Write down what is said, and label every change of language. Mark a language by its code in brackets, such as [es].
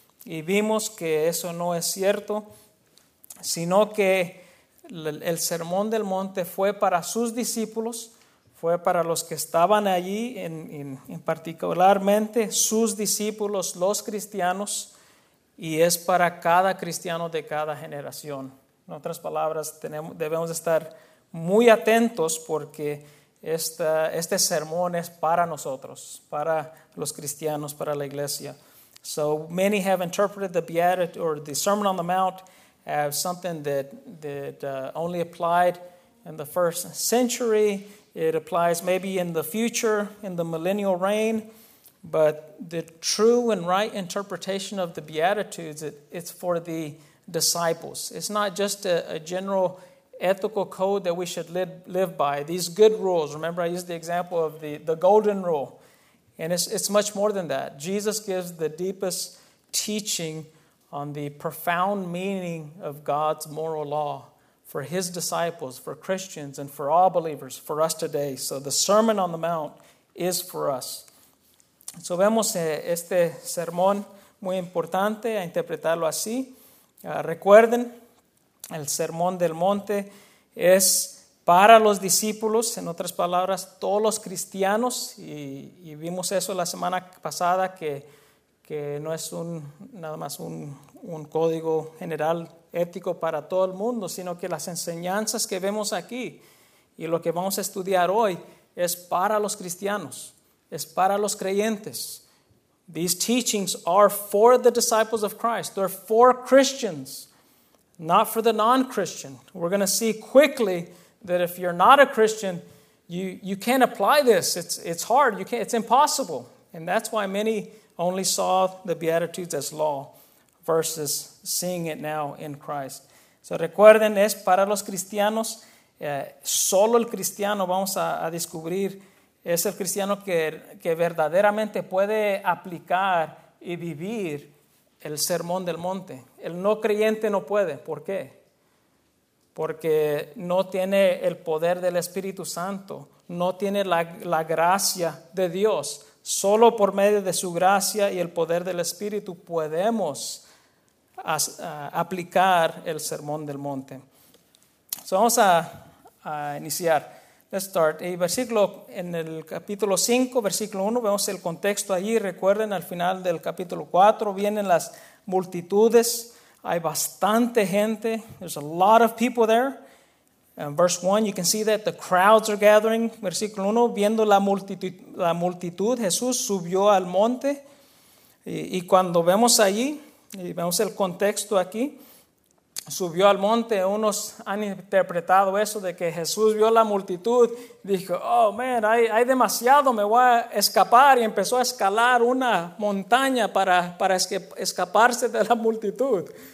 [es] Y vimos que eso no es cierto, sino que el Sermón del Monte fue para sus discípulos, fue para los que estaban allí, en particularmente sus discípulos, los cristianos, y es para cada cristiano de cada generación. En otras palabras, debemos estar muy atentos porque este sermón es para nosotros, para los cristianos, para la iglesia. [en] So many have interpreted the Beatitude or the Sermon on the Mount as something that only applied in the first century. It applies maybe in the future, in the millennial reign. But the true and right interpretation of the Beatitudes, it's for the disciples. It's not just a general ethical code that we should live by. These good rules. Remember, I used the example of the golden rule. And it's much more than that. Jesus gives the deepest teaching on the profound meaning of God's moral law for His disciples, for Christians, and for all believers, for us today. So the Sermon on the Mount is for us. [es] So vemos este sermón muy importante a interpretarlo así. Recuerden, el Sermón del Monte es para los discípulos, en otras palabras, todos los cristianos, y vimos eso la semana pasada, que no es nada más un código general ético para todo el mundo, sino que las enseñanzas que vemos aquí y lo que vamos a estudiar hoy es para los cristianos, es para los creyentes. [en] These teachings are for the disciples of Christ. They're for Christians, not for the non-Christian. We're going to see quickly that if you're not a Christian, you can't apply this. It's hard. It's impossible. And that's why many only saw the Beatitudes as law versus seeing it now in Christ. [es] So recuerden, es para los cristianos. Solo el cristiano vamos a descubrir. Es el cristiano que verdaderamente puede aplicar y vivir el sermón del monte. El no creyente no puede. ¿Por qué? Porque no tiene el poder del Espíritu Santo. No tiene la gracia de Dios. Solo por medio de su gracia y el poder del Espíritu podemos aplicar el sermón del monte. So vamos a iniciar. Let's start. En el capítulo 5, versículo 1, vemos el contexto allí. Recuerden, al final del capítulo 4, vienen las multitudes. Hay bastante gente. [en] There's a lot of people there. In verse 1, you can see that the crowds are gathering. [es] Versículo 1, viendo la multitud, Jesús subió al monte. Y cuando vemos allí, y vemos el contexto aquí, subió al monte. Unos han interpretado eso de que Jesús vio la multitud, dijo, oh man, hay demasiado, me voy a escapar, y empezó a escalar una montaña para escaparse de la multitud.